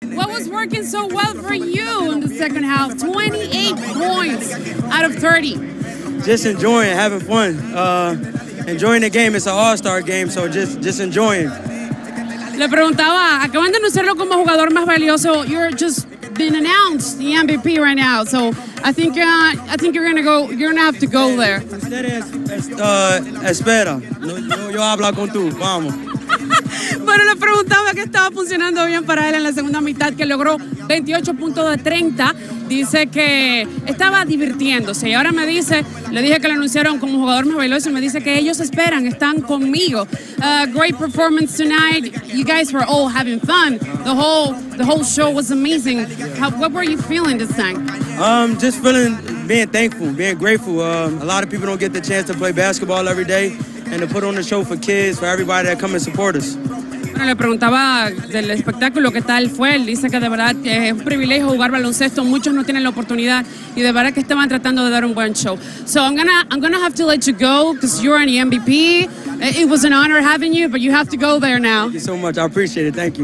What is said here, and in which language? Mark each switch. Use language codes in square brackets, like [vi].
[en] What was working so well for you in the second half? 28 points out of 30. Just enjoying, having fun. Enjoying the game. It's an all-star game, so just enjoying. [es] Le preguntaba, acaban de anunciarlo como jugador más valioso. [en] You're just been announced the MVP right now, so I think you're gonna go. You're gonna have to go there. [es] Espera. Yo hablo con tú. Vamos. Bueno, le preguntaba que estaba funcionando bien para él en la segunda mitad, que logró 28 puntos de 30. Dice que estaba divirtiéndose. Y ahora me dice, le dije que lo anunciaron como jugador más valioso, y me dice que ellos esperan, están conmigo. [en] Great performance tonight. You guys were all having fun. The whole show was amazing. What were you feeling this time? Just feeling, being thankful, being grateful. A lot of people don't get the chance to play basketball every day and to put on a show for kids, for everybody that come and support us. [es] Bueno, le preguntaba del espectáculo, qué tal fue. Él dice que de verdad que es un privilegio jugar baloncesto. Muchos no tienen la oportunidad y de verdad que estaban tratando de dar un buen show. [en] So I'm gonna have to let you go because you're an MVP. It was an honor having you, but you have to go there now. Thank you so much. I appreciate it. Thank you.